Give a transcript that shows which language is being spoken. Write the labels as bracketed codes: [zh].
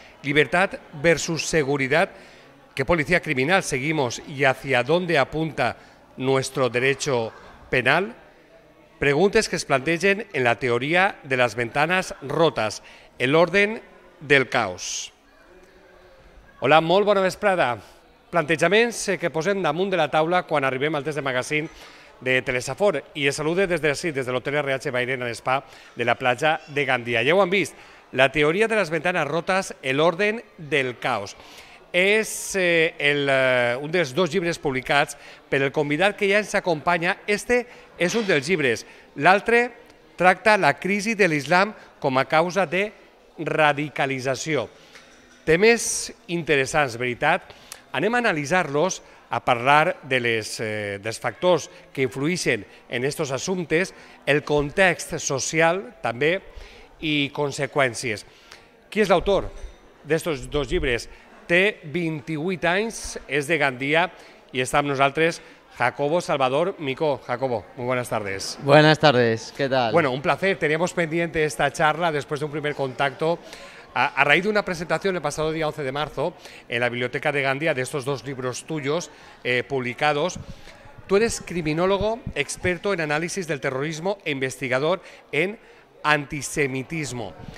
[es] ¿Libertad versus seguridad? ¿Qué policía criminal seguimos y hacia dónde apunta nuestro derecho penal? Preguntas que se planteen en la teoría de las ventanas rotas, el orden del caos. [ca] Hola, molt bona vesprada. Plantejaments que posem damunt de la taula quan arribem al test de magazín de Telesafor. I es salude des de ací, des de l'hotel RH Bairena en Spa de la platja de Gandia. Ja ho han vist, la teoria de les ventanes rotes, l'ordre del caos. És un dels dos llibres publicats per el convidat que ja ens acompanya. Este és un dels llibres. L'altre tracta la crisi de l'islam com a causa de radicalització. Temes interessants, veritat. Anem a analitzar-los, a parlar de dels factors que influeixen en aquests assumptes, el context social també i conseqüències. Qui és l'autor d'aquests dos llibres? Té 28 anys, és de Gandia i està amb nosaltres Jacobo Salvador Micó. [es] Jacobo, muy buenas tardes. Buenas tardes, ¿qué tal? Bueno, un placer. Teníamos pendiente esta charla después de un primer contacto a raíz de una presentación el pasado día 11 de marzo en la Biblioteca de Gandia de estos dos libros tuyos publicados. Tú eres criminólogo, experto en análisis del terrorismo e investigador en antisemitismo.